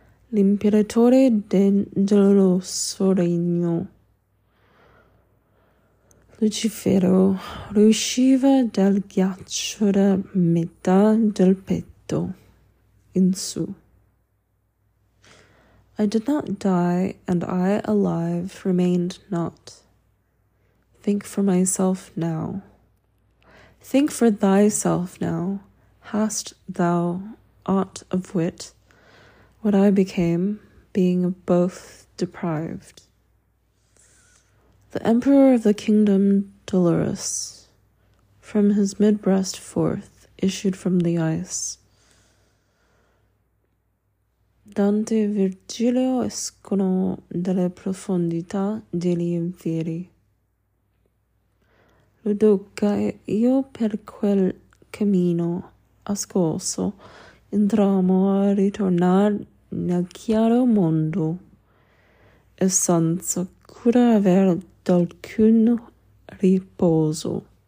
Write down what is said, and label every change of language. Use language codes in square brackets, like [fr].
[it] L'imperatore del suo regno, Lucifero, riusciva dal ghiaccio da metà del petto in su. [en] I did not die, and I alive remained not. Think for myself now. Think for thyself now. Hast thou aught of wit? What I became, being of both deprived. The emperor of the kingdom, Dolorous, from his mid-breast forth, issued from the ice. [it] Dante e Virgilio escono dalle profondità degli inferi. Lo duca e io per quel cammino ascoso entrammo a ritornar nel chiaro mondo e senza cura aver d'alcun riposo.